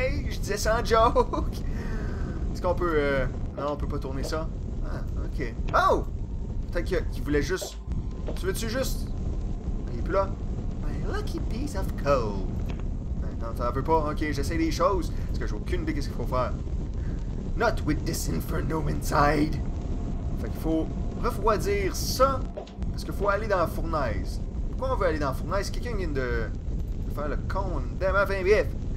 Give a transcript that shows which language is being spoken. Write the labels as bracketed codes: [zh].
[fr] Je disais ça en joke! Est-ce qu'on peut... Non, on peut pas tourner ça. Ah, ok. Oh! Peut-être qu'il voulait juste... Tu veux-tu juste... Il est plus là. [en] Lucky piece of coal. [fr] Non, t'en veux pas? Ok, j'essaie des choses. Parce que j'ai aucune idée qu'est-ce qu'il faut faire. [en] Not with this inferno inside. [fr] Fait qu'il faut refroidir ça. Parce qu'il faut aller dans la fournaise. Pourquoi on veut aller dans la fournaise? Quelqu'un vient de faire le con. Enfin, bref.